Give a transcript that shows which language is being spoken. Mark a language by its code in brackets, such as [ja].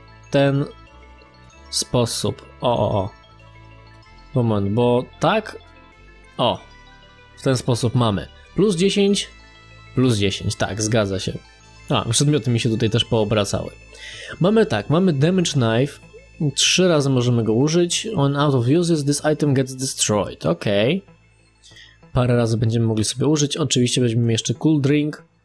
[pl] ten sposób. O. Moment, bo tak. O. W ten sposób mamy. Plus 10, plus 10. Tak, zgadza się. A, przedmioty mi się tutaj też poobracały. Mamy tak, mamy Damage Knife. 3 razy możemy go użyć. [en] When out of uses, this item gets destroyed. Okej. Okay. [pl] Parę razy będziemy mogli sobie użyć. Oczywiście weźmiemy jeszcze Cool Drink.